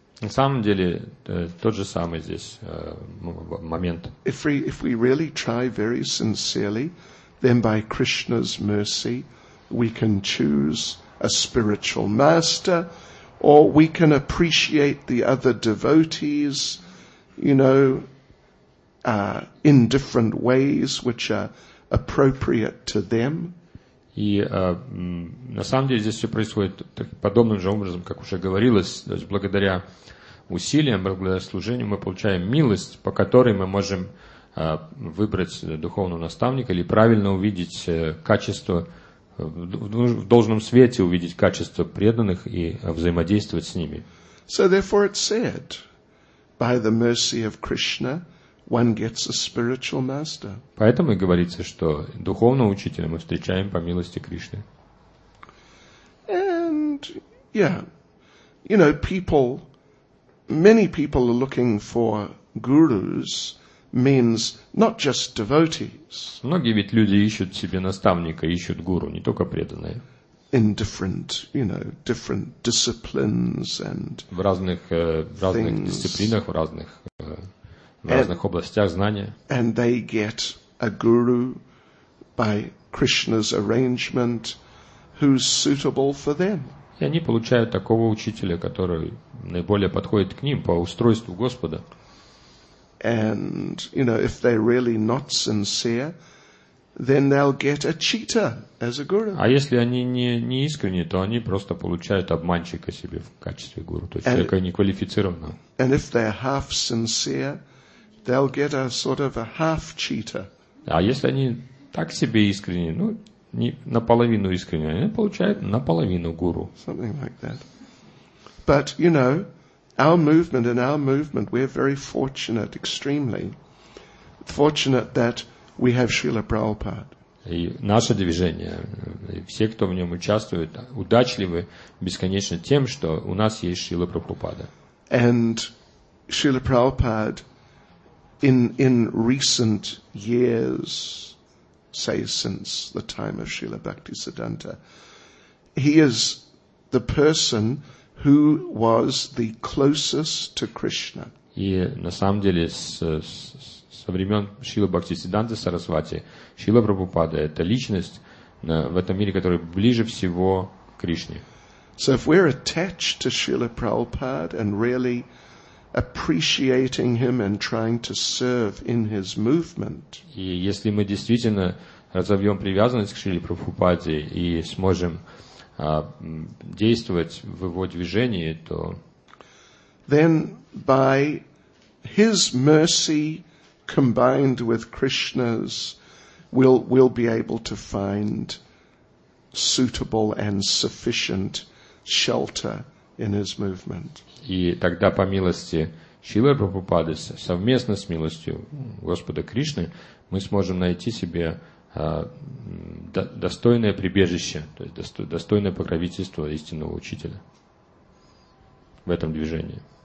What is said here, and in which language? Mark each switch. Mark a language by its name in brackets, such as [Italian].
[Russian] На самом деле, тот же самый здесь момент. [English] If we really try very sincerely, then by Krishna's mercy, we can choose a spiritual master, or we can appreciate the other devotees, you know, in different ways, which are appropriate to them. [Russian] И на самом деле здесь все происходит подобным же образом, как уже говорилось, то есть благодаря усилиям, благодаря служению мы получаем милость, по которой мы можем выбрать духовного наставника или правильно увидеть качество, в должном свете увидеть качество преданных и взаимодействовать с ними. [English] So therefore it said, by the mercy of Krishna, one gets a spiritual master. [Russian] Поэтому и говорится, что духовного учителя мы встречаем по милости Кришны. [English] And yeah, you know, people, many people are looking for gurus. Means not just devotees. [Russian] Многие ведь люди ищут себе наставника, ищут гуру, не только преданные. [English] In different, you know, different disciplines and [Russian] в разных дисциплинах, в разных областях знания. [English] And they get a guru by Krishna's arrangement, who's suitable for them. [Russian] И они получают такого учителя, который наиболее подходит к ним по устройству Господа. [English] And you know, if they're really not sincere, then they'll get a cheater as a guru. [Russian] А если они не искренни, то они просто получают обманщика себе в качестве гуру, то есть человека неквалифицированного. [English] And if they're half sincere, they'll get a sort of a half cheater. [Russian] А если они так себе искренни, ну не наполовину искренни, они получают наполовину гуру. [English] Something like that. But you know. Our movement, we're very fortunate, extremely fortunate that we have Srila Prabhupada. [Russian] И наше движение, все, кто в нем участвует, удачливы бесконечно тем, что у нас есть Шрила Прабхупада. [English] And Srila Prabhupada in recent years, say since the time of Srila Bhaktisiddhanta, he is the person who was the closest to Krishna. [Russian] И на самом деле со времен Шрилы Бхактисиддханты Сарасвати, Шрила Прабхупада – это личность в этом мире, которая ближе всего к Кришне. [English] So if we're attached to Srila Prabhupada and really appreciating him and trying to serve in his movement. [Russian] И если мы действительно разовьем привязанность к Шриле Прабхупаде и сможем действовать в его движении, то [English] then by his mercy combined with Krishna's we'll be able to find suitable and sufficient shelter in his movement. [Russian] И тогда по милости Шрилы Прабхупады, совместно с милостью Господа Кришны, мы сможем найти себе достойное прибежище, то есть достойное покровительство истинного учителя в этом движении.